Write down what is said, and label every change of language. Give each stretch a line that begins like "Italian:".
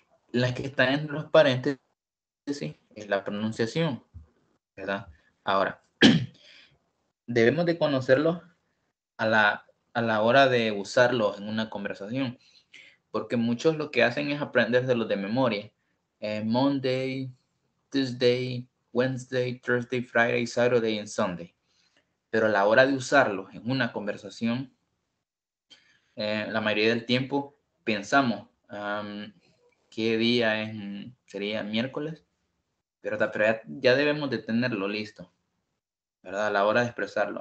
Spanish: La que está en los paréntesis es la pronunciación, ¿verdad? Ahora, debemos de conocerlo a la hora de usarlo en una conversación. Porque muchos lo que hacen es aprendérselos de memoria.
English: Monday, Tuesday, Wednesday, Thursday, Friday, Saturday, and Sunday.
Spanish: pero a la hora de usarlos en una conversación, la mayoría del tiempo pensamos qué día es, sería miércoles, pero ya debemos de tenerlo listo, ¿verdad? A la hora de expresarlo.